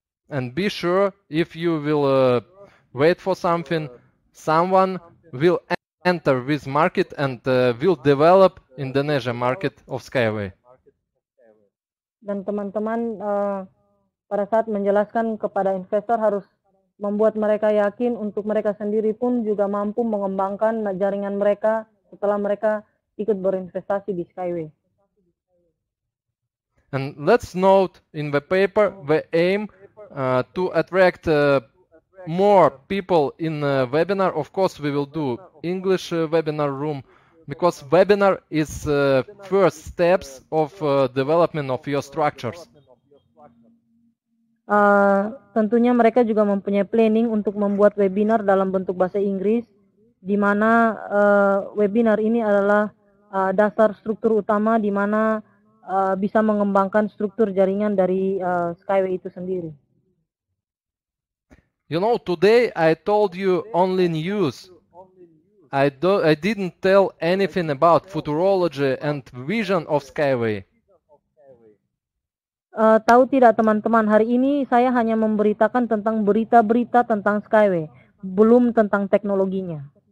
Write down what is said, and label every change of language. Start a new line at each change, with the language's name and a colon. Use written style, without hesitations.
English: And be sure, if you will wait for something, someone will enter this market and will develop Indonesia market of Skyway.
Indonesian: Dan teman-teman pada saat menjelaskan kepada investor harus membuat mereka yakin untuk mereka sendiri pun juga mampu mengembangkan jaringan mereka setelah mereka ikut berinvestasi di Skyway.
English: And let's note in the paper the aim to attract more people in the webinar. Of course, we will do English webinar room, because webinar is first steps of development of your structures.
Indonesian: Tentunya mereka juga mempunyai planning untuk membuat webinar dalam bentuk bahasa Inggris, di mana webinar ini adalah dasar struktur utama di mana bisa mengembangkan struktur jaringan dari Skyway itu sendiri.
English: You know, today I told you only news. I didn't tell anything about futurology and vision of Skyway.
Indonesian: Tahu tidak teman-teman, hari ini saya hanya memberitakan tentang berita-berita tentang Skyway, belum tentang teknologinya.